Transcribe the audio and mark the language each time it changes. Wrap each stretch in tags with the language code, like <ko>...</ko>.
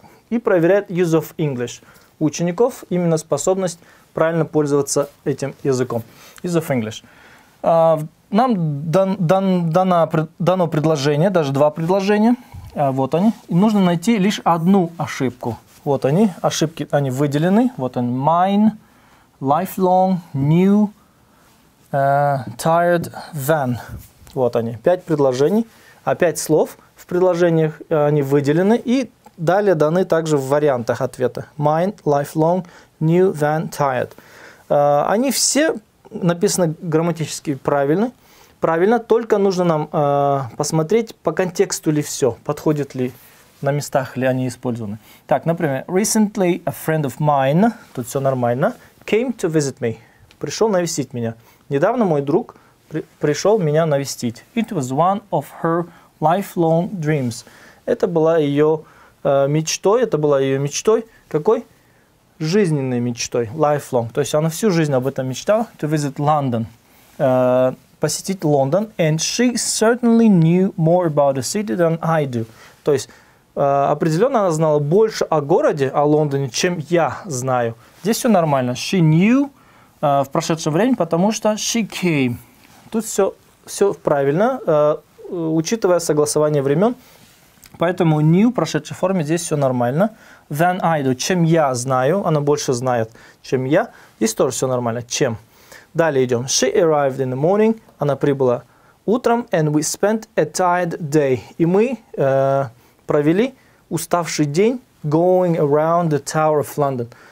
<ru>И проверяет use of English. Учеников именно способность правильно пользоваться этим языком.</ru> <en>Use of English.</en> <ru>Нам дано предложение, даже два предложения. Вот они. И нужно найти лишь одну ошибку. Вот они. Ошибки, они выделены. Вот они. Mine, lifelong, new, tired, van. Вот они. Пять предложений. Пять слов в предложениях, они выделены. И далее даны также в вариантах ответа.</ru> <en>Mine, lifelong, new, van, tired.</en> <ru>Они все написаны грамматически правильно. Правильно, только нужно нам посмотреть, по контексту ли все, подходит ли на местах, ли они использованы. Так, например,</ru> <en>recently a friend of mine,</en> <ru>тут все нормально,</ru> <en>came to visit me,</en> <ru>пришел навестить меня. Недавно мой друг пришел меня навестить.</ru> <en>It was one of her lifelong dreams.</en> <ru>Это была ее мечтой. Это была ее мечтой. Какой? Жизненной мечтой. Lifelong. То есть она всю жизнь об этом мечтала.</ru> <en>To visit London.</en> <ru>Посетить Лондон.</ru> <en>And she certainly knew more about the city than I do.</en> <ru>То есть определенно она знала больше о городе, о Лондоне, чем я знаю. Здесь все нормально.</ru> <en>She knew</en> <ru>в прошедшее время, потому что</ru> <en>she came.</en> <ru>Тут все правильно, учитывая согласование времен. Поэтому new в прошедшей форме здесь все нормально.</ru> <en>Than I do.</en> <ru>Чем я знаю. Она больше знает, чем я. Здесь тоже все нормально. Чем? Далее идем.</ru> <en>She arrived in the morning.</en> <ru>Она прибыла утром.</ru> <en>And we spent a tired day.</en> <ru>И мы провели уставший день</ru> <en>going around the Tower of London.</en>